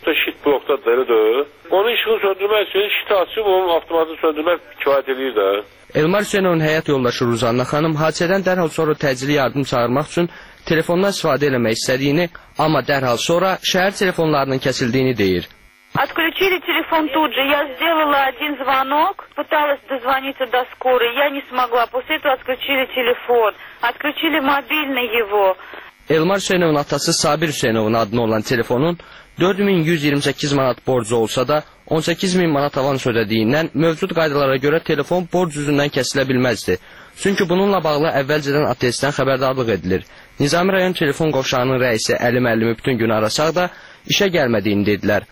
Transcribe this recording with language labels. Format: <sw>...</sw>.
<az>Şit blokdadır, elədir. Onun işığı söndürmək üçün şiti açıb, onun avtomatı söndürmək kifayət edir də. Elmar Hüseynovun həyat yoldaşı Ruzanna xanım hadisədən dərhal sonra təcili yardım çağırmaq üçün telefondan istifadə eləmək istədiyini, amma dərhal sonra şəhər telefonlarının kəsildiyini deyir.</az> <ru>Отключили телефон тут же. Я сделала один звонок, пыталась дозвониться до скорой, я не смогла. После этого отключили телефон, отключили мобильный его.</ru> <az>Elmar Hüseynovun atası Sabir Hüseynovun adına olan telefonun 4128 manat borcu olsa da 18000 manat avan ödədiyindən mövcud qaydalara görə telefon borc üzündən kəsilə bilməzdi. Çünki bununla bağlı əvvəlcədən ATS-dən xəbərdarlıq edilir. Nizami rayon telefon qovşağının rəisi Əli müəllimi bütün gün arasaq da işə gəlmədiyini dedilər.</az>